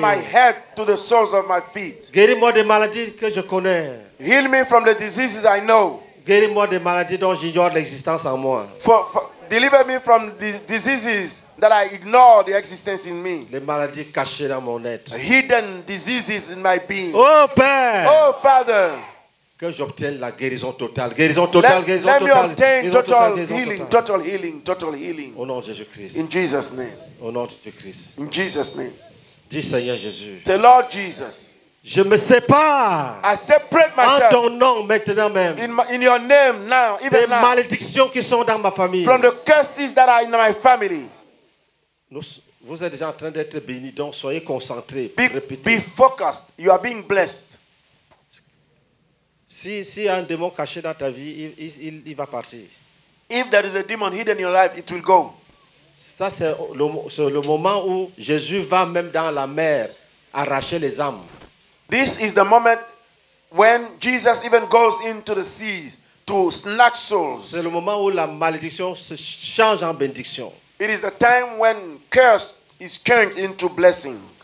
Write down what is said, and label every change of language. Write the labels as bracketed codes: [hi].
[en] From my head to the soles of my feet. [fr] Guéris-moi des maladies que je connais. [en] Heal me from the diseases I know. [fr] Guéris-moi des maladies dont j'ignore l'existence en moi. [en] Deliver me from the diseases that I ignore the existence in me. [fr] Les maladies cachées dans mon être. [en] Hidden diseases in my being. [fr] Oh Père. [en] Oh Father. [fr] Que j'obtienne la guérison totale. Guérison totale, guérison totale. [en] Let me obtain total healing, total healing, total healing. [fr] Au nom de Jésus-Christ. [en] In Jesus' name. [fr] Au nom de Jésus-Christ. [en] In Jesus' name. [fr] Dis Seigneur Jésus. [en] Say Lord Jesus. [fr] Je me sépare. [en] I separate myself. [fr] En ton nom maintenant même. [en] In your name now, even now. [fr] Des malédictions qui sont dans ma famille. [en] From the curses that are in my family. [fr] Vous êtes déjà en train d'être béni, donc soyez concentrés. [en] Be focused. You are being blessed. [fr] Si y a un démon caché dans ta vie, il va partir. [en] If there is a demon hidden in your life, it will go. [fr] Ça, c'est le moment où Jésus va même dans la mer arracher les âmes. [en] This is the moment when Jesus even goes into the seas to snatch souls. [fr] C'est le moment où la malédiction se change en bénédiction. [en] It is the time when curse is changed into blessing.